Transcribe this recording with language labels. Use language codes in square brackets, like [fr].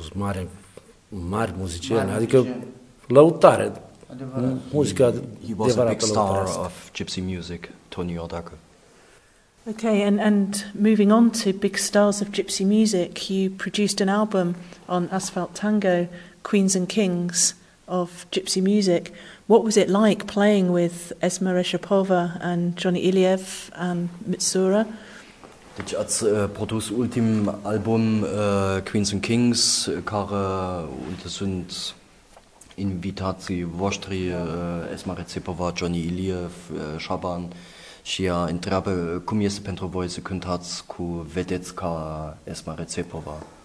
[ro] Sunt mari muzicieni, adică lăutare, muzica adevărată. [en] He was a big star of gypsy music, Tony Iordache. Okay, and moving on to big stars of gypsy music, you produced an album on Asphalt Tango, Queens and Kings of Gypsy Music. What was it like playing with Esma Reshapova and Johnny Iliev and Mitsura? [ro] Deci ați produs ultim album Queens and Kings, care unde sunt invitații voștri, Esma Reshapova, Johnny Iliev, Shaban, și ea întreabă cum este pentru voi să cântați cu vedeți ca Esma Reshapova.